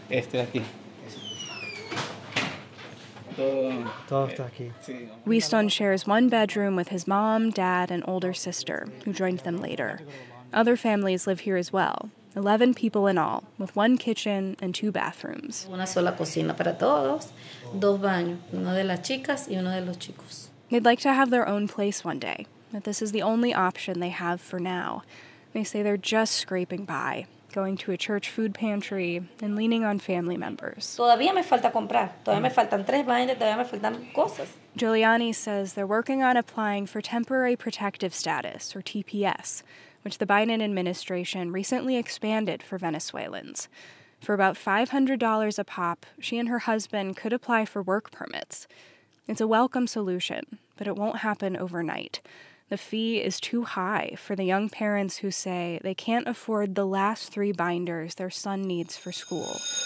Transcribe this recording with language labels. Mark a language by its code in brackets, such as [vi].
[es] Este aquí. [en] Wiston shares one bedroom with his mom, dad, and older sister, who joined them later. Other families live here as well, 11 people in all, with one kitchen and two bathrooms. [es] Una sola cocina para todos, dos baños, uno de las chicas y uno de los chicos. [en] They'd like to have their own place one day, but this is the only option they have for now. They say they're just scraping by, going to a church food pantry and leaning on family members. [es] Todavía me falta comprar. Todavía me faltan tres baños, todavía me faltan cosas. [en] Giuliani says they're working on applying for temporary protective status, or TPS, which the Biden administration recently expanded for Venezuelans. For about $500 a pop, she and her husband could apply for work permits. It's a welcome solution, but it won't happen overnight. The fee is too high for the young parents who say they can't afford the last three binders their son needs for school.